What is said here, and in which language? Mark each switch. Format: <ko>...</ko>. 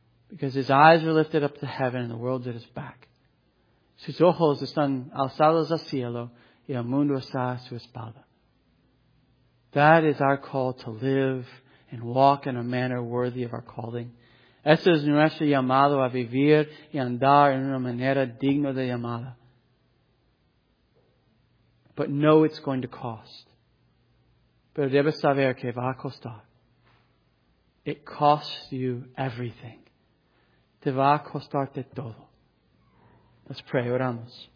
<en>Because his eyes are lifted up to heaven and the world's at his back.</en> <es>Sus ojos están alzados al cielo y el mundo está a su espalda.</es> <en>That is our call to live and walk in a manner worthy of our calling.</en> <es>Este es nuestro llamado a vivir y andar en una manera digna de llamada.</es> <en>But know it's going to cost.</en> <es>Pero debes saber que va a costar.</es> <en>It costs you everything.</en> <es>Te va a costarte todo.</es> <en>Let's pray.</en> <es>Oramos.</es>